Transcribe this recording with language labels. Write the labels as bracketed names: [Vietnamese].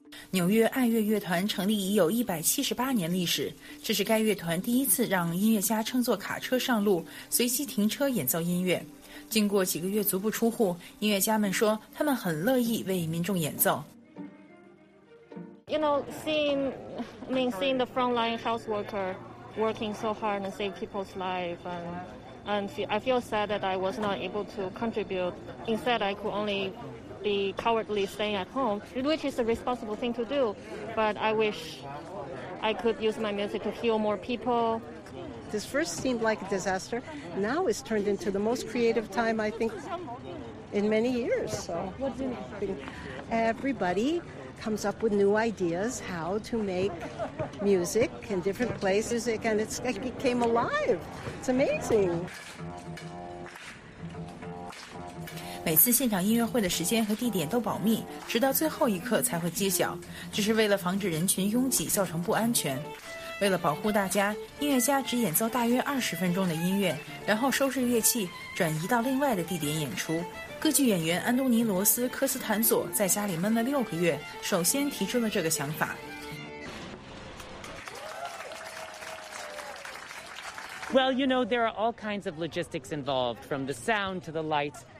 [Chinese] 纽约爱乐乐团成立已有178年历史，这是该乐团第一次让音乐家乘坐卡车上路，随机停车演奏音乐。经过几个月足不出户，音乐家们说他们很乐意为民众演奏。 [English] You know, seeing the frontline health worker working so hard and save people's life, and I feel sad that I was not able to contribute. Instead, I could only. Be cowardly staying at home, which is a responsible thing to do. But I wish I could use my music to heal more people. This first seemed like a disaster. Now it's turned into the most creative time, I think, in many years. So, what do you mean? Everybody comes up with new ideas how to make music in different places, and it's, it came alive. It's amazing. [Chinese] 每次现场音乐会的时间和地点都保密，直到最后一刻才会揭晓，这是为了防止人群拥挤造成不安全。为了保护大家，音乐家只演奏大约20分钟的音乐，然后收拾乐器转移到另外的地点演出。歌剧演员安东尼·罗斯·科斯坦佐在家里闷了6个月，首先提出了这个想法。 [English] Well, you know, there are all kinds of logistics involved, from the sound to the lights.